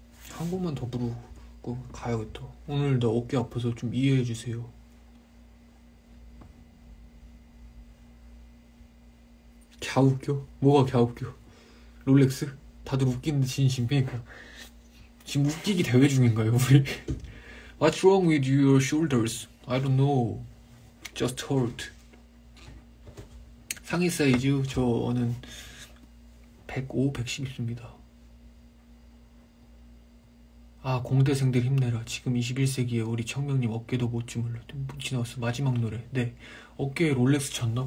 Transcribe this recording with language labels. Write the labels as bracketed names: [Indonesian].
[Korean] 한 곡만 더 부르고 가야겠다. 오늘 나 어깨 아파서 좀 이해해주세요. 갸 웃겨? 뭐가 갸 웃겨? 롤렉스? 다들 웃기는데 진심. 그러니까 지금 웃기기 대회 중인가요, 우리? [English] What's wrong with your shoulders? I don't know. Just hurt. [Korean] 상의 사이즈 저는 105, 110 입습니다. 아, 공대생들 힘내라. 지금 21세기에 우리 청명님 어깨도 못 주물러. 뭉치 나왔어. 마지막 노래. 네. 어깨에 롤렉스 쳤나?